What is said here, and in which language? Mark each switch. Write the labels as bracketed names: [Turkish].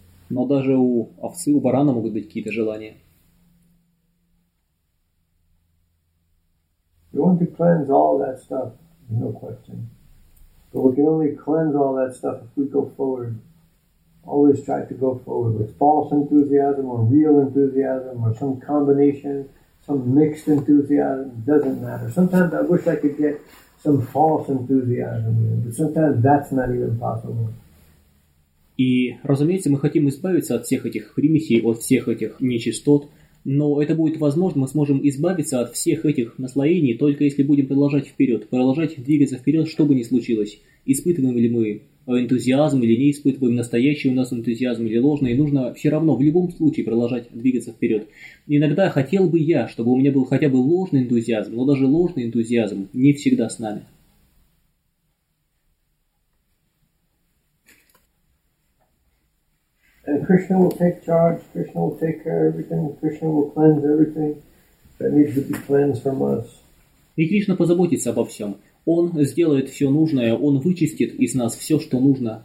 [Russian] Но даже у овцы, у барана могут быть какие-то желания. [English] We want to cleanse all that stuff, no question. But we can only cleanse all that stuff if we go forward. Always try to go forward with false enthusiasm or real enthusiasm or some combination, some mixed enthusiasm, doesn't matter. Sometimes I wish I could get some false enthusiasm, but sometimes that's not even possible. [Russian] И, разумеется, мы хотим избавиться от всех этих примесей, от всех этих нечистот, но это будет возможно, мы сможем избавиться от всех этих наслоений, только если будем продолжать вперед, продолжать двигаться вперед, что бы ни случилось, испытываем ли мы энтузиазм или не испытываем настоящий у нас энтузиазм или ложный, и нужно все равно в любом случае продолжать двигаться вперед. Иногда хотел бы я, чтобы у меня был хотя бы ложный энтузиазм, но даже ложный энтузиазм не всегда с нами. [English] And Krishna will take charge, Krishna will take care of everything, Krishna will cleanse everything that needs to be cleansed from us. [Russian] И Кришна позаботится обо всем. Он сделает все нужное, Он вычистит из нас все, что нужно